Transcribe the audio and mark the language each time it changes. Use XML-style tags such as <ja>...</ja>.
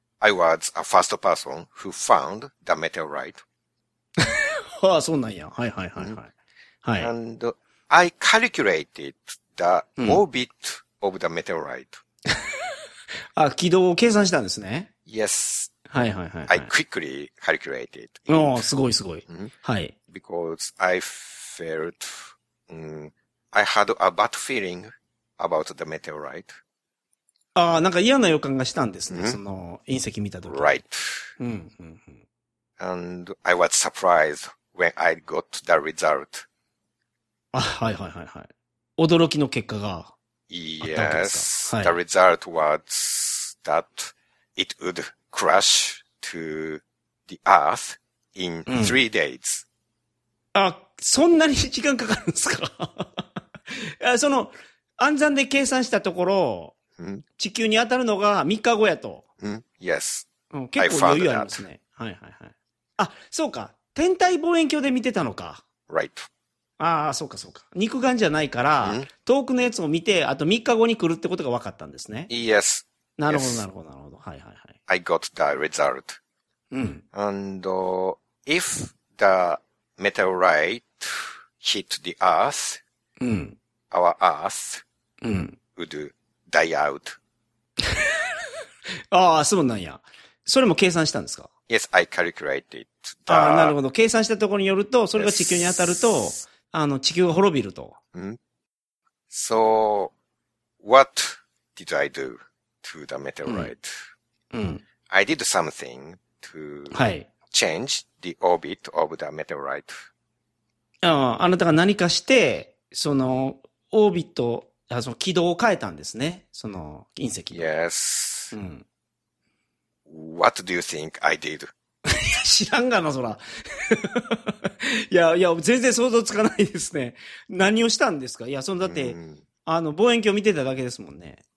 <en>I was a first person who found the meteorite.</en> <ja>ああ、そうなんや。はいはいはいはい。</ja> <en>うん、And I calculated the orbit of the meteorite.</en> <ja>あ、軌道を計算したんですね。</ja> <en>Yes.</en> <ja>はいはいはい、はい。</ja> <en>I quickly calculated it.</en> <ja>ああ、すごいすごい。うん、はい。</ja> <en>Because I felt, I had a bad feeling about the meteorite.</en> <ja>ああ、なんか嫌な予感がしたんですね。 Mm-hmm. その隕石見た時。</ja> <en>Right.</en> <ja>うん、</ja> <en>And I was surprised when I got the result.</en> <ja>あ、はいはいはいはい。驚きの結果が。</ja> <en>Yes. The result was that it would crash to the Earth in three days.</en> <ja>あ、そんなに時間かかるんですか？その、暗算で計算したところ、地球に当たるのが3日後やと。</ja> <en>Yes.</en> <ja>結構余裕ありますね。はいはいはい。あ、そうか。天体望遠鏡で見てたのか。</ja> <en>Right.</en> <ja>ああ、そうかそうか。肉眼じゃないから、遠くのやつを見て、あと3日後に来るってことが分かったんですね。</ja> <en>Yes.</en> <ja>なるほどなるほどなるほど。はいはいはい。</ja> <en>I got the result.</en> <ja>うん。</ja> <en>And, if the,Meteorite hit the Earth,、</en> <ja>うん、</ja> <en>our Earth、</en> <ja>うん、</ja> <en>would die out.</en> <ja>ああ、そうなんや。それも計算したんですか？</ja> <en>Yes, I calculated.</en> <ja>ああ、なるほど。計算したところによると、それが地球に当たると、yes. 地球が滅びると。</ja> <en>So, what did I do to the meteorite?、</en> <ja>うん、</ja> <en>I did something to change the orbit of the meteorite.</en> <ja>あなたが何かして、その、オービット、その軌道を変えたんですね。その、隕石。</ja> <en>Yes.、</en> <ja>うん、</ja> <en>what do you think I did?</en> <ja>知らんがな、そら。いや、全然想像つかないですね。何をしたんですか？いや、その、だって、望遠鏡を見てただけですもんね。</ja>